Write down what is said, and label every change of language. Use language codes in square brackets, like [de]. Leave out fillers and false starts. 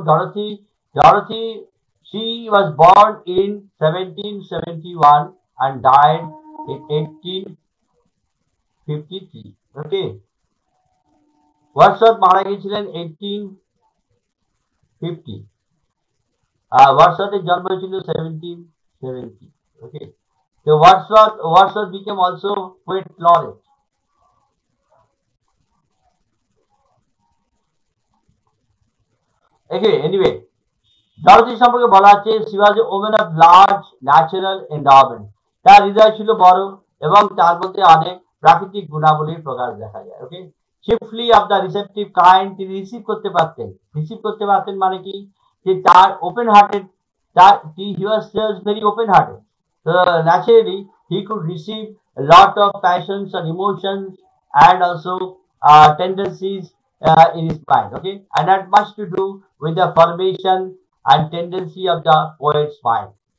[en] Dorothy, Dorothy, she was born in 1771 and died in 1853। [bn] Okay, Wordsworth মারা গিয়েছিলেন 1850, ওয়ার্ডসওয়ার্থের জন্ম হয়েছিল 1753। [en] 70. Okay. So Wordsworth became also poet laureate. Okay, anyway, Dorothy [bn] সম্পর্কে বলা আছে [en] she was a woman of large natural endowment. [bn] তার হৃদয় ছিল বড় এবং তার মধ্যে অনেক প্রাকৃতিক গুণাবলীর প্রকাশ দেখা যায়। ওকে, [en] chiefly of the receptive kind, [bn] তিনি রিসিভ করতে পারতেন। রিসিভ করতে পারতেন মানে কি, যে তার ওপেন হার্টেড, তার [en] He was just very open hearted, so naturally he could receive lot of passions or emotions and also tendencies in his mind, okay, and that much to do with the formation and tendency of the poet's mind.